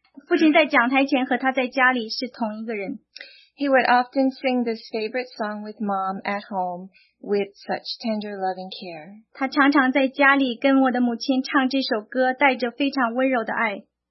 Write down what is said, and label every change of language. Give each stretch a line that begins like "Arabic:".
Chinese: 父亲在讲台前和他在家里是同一个人。
English: He would often sing this favorite song with mom at home with such tender loving care.
Chinese: 他常常在家里跟我的母亲唱这首歌，带着非常温柔的爱。